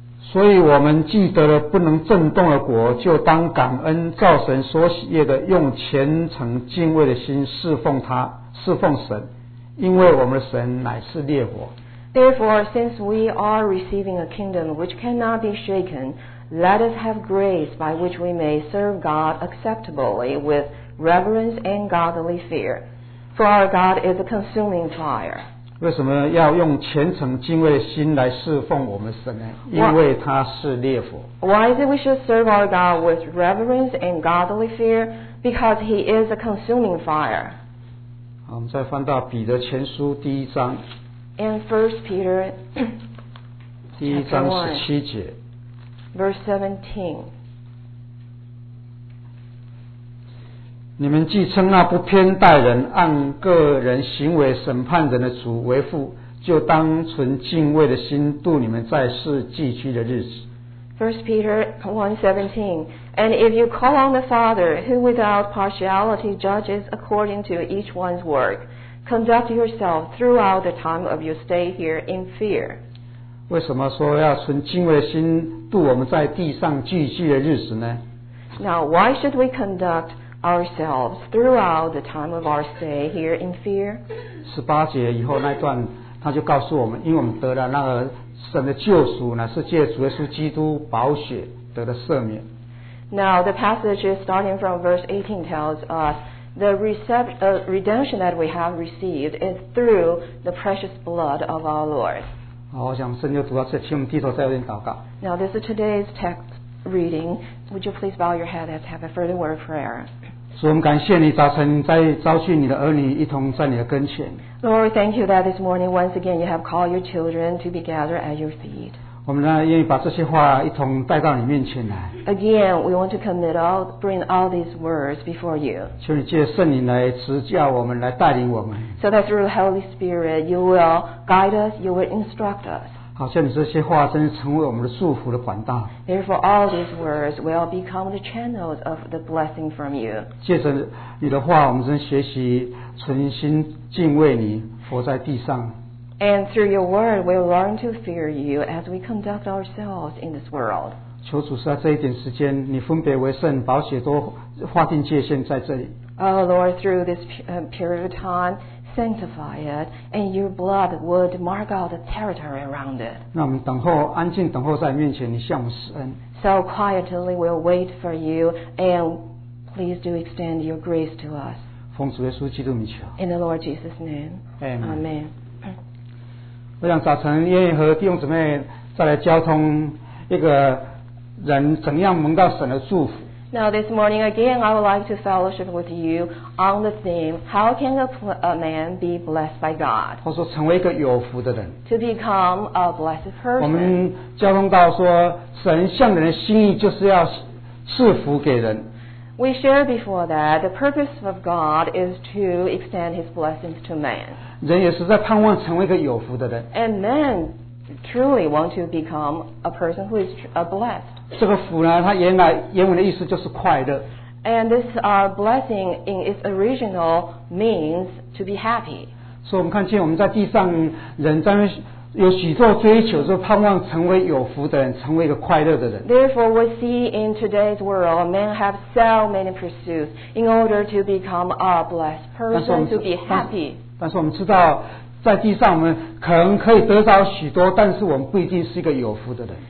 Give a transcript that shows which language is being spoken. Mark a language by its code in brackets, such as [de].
[zh] 所以我们既得了不能震动的国，就当感恩造神所喜悦的，用虔诚敬畏的心侍奉他，侍奉神，因为我们的神乃是烈火。 [en] Therefore, since we are receiving a kingdom which cannot be shaken, let us have grace by which we may serve God acceptably withreverence and godly fear, for our God is a consuming fire. [zh] 为什么要用虔诚敬畏的心来侍奉我们神呢？因为他是烈火。 [en] Why is it we should serve our God with reverence and godly fear? Because he is a consuming fire. [zh] 好，我们再翻到彼得前书第一章。 [en] And First Peter, [zh] 第一章十七节。 [en] Verse 17. [zh] 你们既称那不偏待人、按个人行为审判人的主为父，就当存敬畏的心度你们在世寄居的日子。 [en] 1 Peter 1:17, and if you call on the Father, who without partiality judges according to each one's work, conduct yourself throughout the time of your stay here in fear. [zh] 为什么说要存敬畏的心度我们在地上寄居的日子呢？ [en] Now why should we conduct? ourselves throughout the time of our stay here in fear. [zh] 十八节以后那段，他就告诉我们，因为我们得了那个神的救赎呢，是借主耶稣基督宝血得了赦免。 [en] Now the passage starting from verse 18 tells us the redemption that we have received is through the precious blood of our Lord. [zh] 好，我想圣经读到这，请我们低头再有点祷告。 [en] Now this is today's text. Reading, would you please bow your head and have a further word of prayer? [zh] 主，我们感谢你早晨在召聚你的儿女一同在你的跟前。 [en] Lord, thank you that this morning once again you have called your children to be gathered at your feet. [zh] 我们呢愿意把这些话一同带到你面前来。 [en] Again, we want to commit all, bring all these words before you. [zh] 求你借圣灵来指教我们，来带领我们。 [en] So that through the Holy Spirit you will guide us, you will instruct us. [zh] 好像你这些话真是成为我们的祝福的管道。 [en] Therefore, all these words will become the channels of the blessing from you. [zh] 借着你的话，我们真学习存心敬畏你，活在地上。 [en] And through your word, we'll learn to fear you as we conduct ourselves in this world. [zh] 求主在这一点时间，你分别为圣，宝血都划定界限在这里。 [en] Oh Lord, through this period of time, sanctify it, and your blood would mark out the territory around it. [zh] 那我们等候，安静等候在面前，你向我们施恩。 [en] So quietly we'll wait for you, and please do extend your grace to us. [zh] 奉主耶稣基督名求。 [en] In the Lord Jesus' name. Amen. Amen. [zh] 我想早晨愿意和弟兄姊妹再来交通一个人怎样蒙到神的祝福。 [en] Now this morning again, I would like to fellowship with you on the theme, how can a man be blessed by God? [zh] 或说成为一个有福的人。 [en] To become a blessed person. [zh] 我们交通到说神向人的心意就是要赐福给人。 [en] We shared before that the purpose of God is to extend his blessings to man. [zh] 人也是在盼望成为一个有福的人。 [en] And man truly want to become a person who is blessed. [zh] 这个福呢，它原来原文的意思就是快乐。 [en] And this blessing in its original means to be happy. [zh] 所以我们看见我们在地上人在那有许多追求，就盼望成为有福的人，成为一个快乐的人。 [en] Therefore, we see in today's world, men have so many pursuits in order to become a blessed person, to be happy. [zh] 但是我们知道，在地上我们可能可以得到许多，但是我们不一定是一个有福的人。